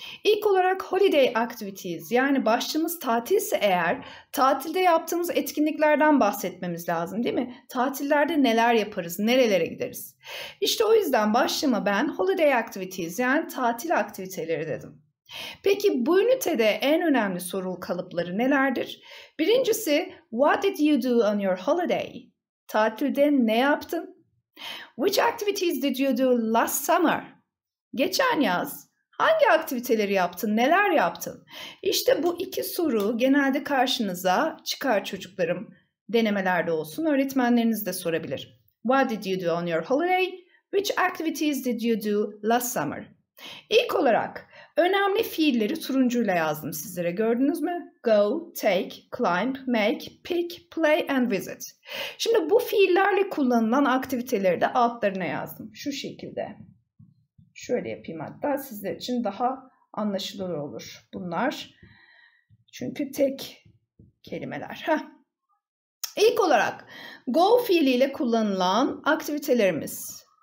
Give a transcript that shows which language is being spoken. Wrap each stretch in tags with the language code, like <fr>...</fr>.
<tr>İlk olarak</tr> <en>holiday activities,</en> <tr>yani başlığımız tatilse eğer, tatilde yaptığımız etkinliklerden bahsetmemiz lazım değil mi? Tatillerde neler yaparız, nerelere gideriz? İşte o yüzden başlığıma ben</tr> <en>holiday activities,</en> <tr>yani tatil aktiviteleri dedim. Peki bu ünitede en önemli soru kalıpları nelerdir? Birincisi,</tr> <en>what did you do on your holiday?</en> <tr>Tatilde ne yaptın?</tr> <en>Which activities did you do last summer?</en> <tr>Geçen yaz hangi aktiviteleri yaptın, neler yaptın? İşte bu iki soru genelde karşınıza çıkar çocuklarım. Denemelerde olsun, öğretmenleriniz de sorabilir.</tr> <en>What did you do on your holiday? Which activities did you do last summer?</en> <tr>İlk olarak önemli fiilleri turuncuyla yazdım sizlere, gördünüz mü?</tr> <en>Go, take, climb, make, pick, play and visit.</en> <tr>Şimdi bu fiillerle kullanılan aktiviteleri de altlarına yazdım. Şu şekilde. Şöyle yapayım hatta sizler için daha anlaşılır olur bunlar. Çünkü tek kelimeler. İlk olarak go fiiliyle kullanılan aktivitelerimiz.</tr>